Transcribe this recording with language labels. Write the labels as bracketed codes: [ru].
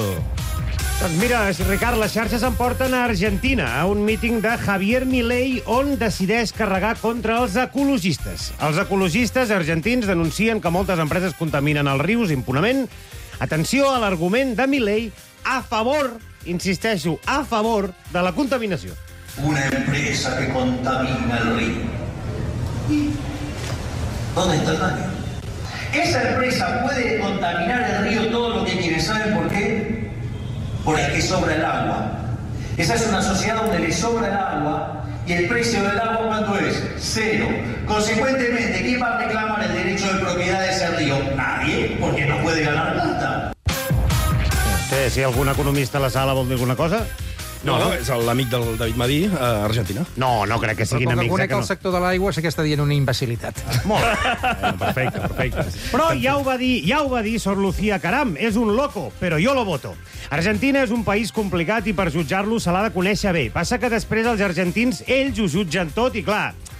[ca] Doncs mira, Ricard, les xarxes em porten a Argentina, a un míting de Javier Milei, on decideix carregar contra els ecologistes. Els ecologistes argentins denuncien que moltes empreses contaminen els rius impunament. Atenció a l'argument de Milei a favor, insisteixo, a favor de la contaminació. [es] Una empresa que contamina el río. ¿Y dónde está el daño? Esa empresa puede contaminar el río todo lo que quiere. ¿Saben por qué? Por el que sobra el agua. Esa es una sociedad donde le sobra el agua y el precio del agua, ¿cuánto es? Cero. Consecuentemente, ¿quién va a reclamar el derecho de propiedad de ese río? Nadie, porque no puede ganar plata. ¿Usted, si algún economista [ca] a la sala vol dir alguna cosa? No, no, és l'amic del David Madí, a Argentina. No, no crec que siguin amics. Però quan conec el sector de l'aigua, sé que està dient una imbecilitat. Molt. Perfecte, perfecte. Però ja ho va dir Sor Lucía Caram, és [es] un loco, [ca] però jo lo voto. Argentina és un país complicat i per jutjar-lo se l'ha de conèixer bé. Passa que després els argentins, ells ho jutgen tot i clar...